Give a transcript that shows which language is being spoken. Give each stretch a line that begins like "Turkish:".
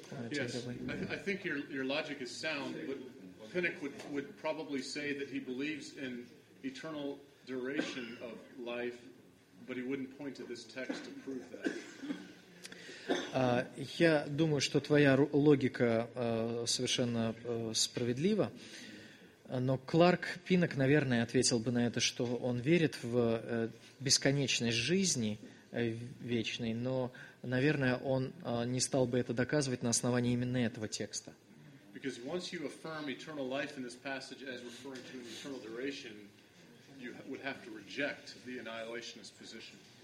English: Yes, I think your logic is sound, but Pinnock would probably say that he believes in eternal duration of life, but he wouldn't point to this text to prove that.
Russian: Я думаю, что твоя логика совершенно справедлива, но Кларк Пинок, наверное, ответил бы на это, что он верит в бесконечность жизни вечной, но, наверное, он не стал бы это доказывать на основании именно этого текста.
English: Because once you affirm eternal life in this passage as referring to an eternal duration, you would have to reject the annihilationist position.